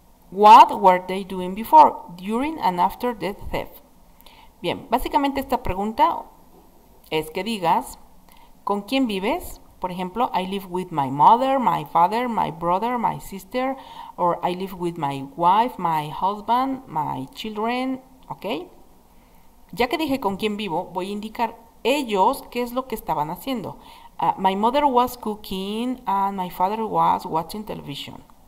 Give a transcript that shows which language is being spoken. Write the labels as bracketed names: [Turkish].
[English] What were they doing before, during, and after the theft? [Spanish] Bien, básicamente esta pregunta es que digas, ¿con quién vives? Por ejemplo, [English] I live with my mother, my father, my brother, my sister, or I live with my wife, my husband, my children, ¿ok? [Spanish] Ya que dije con quién vivo, voy a indicar ellos qué es lo que estaban haciendo. [English] My mother was cooking and my father was watching television.